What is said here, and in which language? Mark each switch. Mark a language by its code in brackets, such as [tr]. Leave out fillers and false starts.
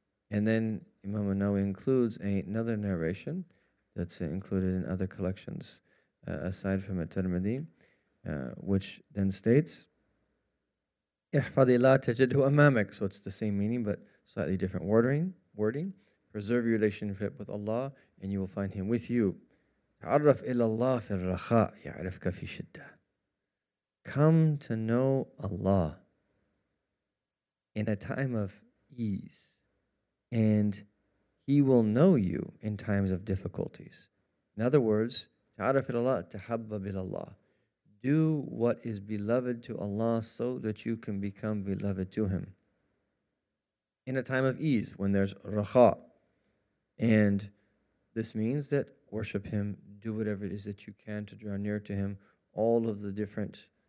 [en] And then Imam An-Nawawi includes another narration that's included in other collections aside from At-Tirmidhi, which then states, [ar] Ihfadillah tajidhu amamak. [en] So it's the same meaning, but slightly different wording. Preserve your relationship with Allah and you will find him with you. [ar] تعرف إلى الله في الرخاء يعرفك في الشدة. [en] Come to know Allah in a time of ease, and he will know you in times of difficulties. In other words, [ar] تعرف إلى الله تحبب إلى الله. [en] Do what is beloved to Allah so that you can become beloved to him. In a time of ease, when there's rakha, and this means that worship him, do whatever it is that you can to draw near to him, all of the different